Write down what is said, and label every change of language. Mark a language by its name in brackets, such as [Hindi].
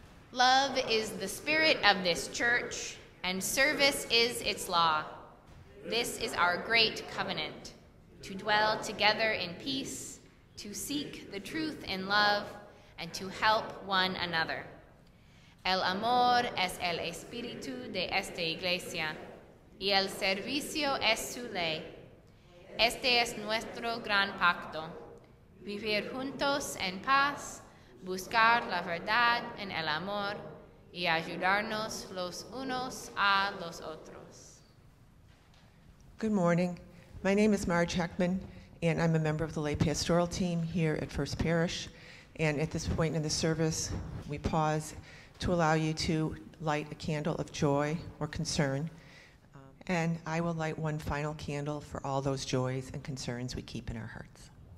[English] Love is the spirit of this church, and service is its law. This is our great covenant, to dwell together in peace, to seek the truth in love, and to help one another. [Spanish] El amor es el espíritu de esta iglesia, y el servicio es su ley. Este es nuestro gran pacto, vivir juntos en paz, buscar la verdad en el amor, y ayudarnos los unos a los otros. [English] Good morning. My name is Marge Heckman, and I'm a member of the lay pastoral team here at First Parish. And at this point in the service, we pause to allow you to light a candle of joy or concern. And I will light one final candle for all those joys and concerns we keep in our hearts.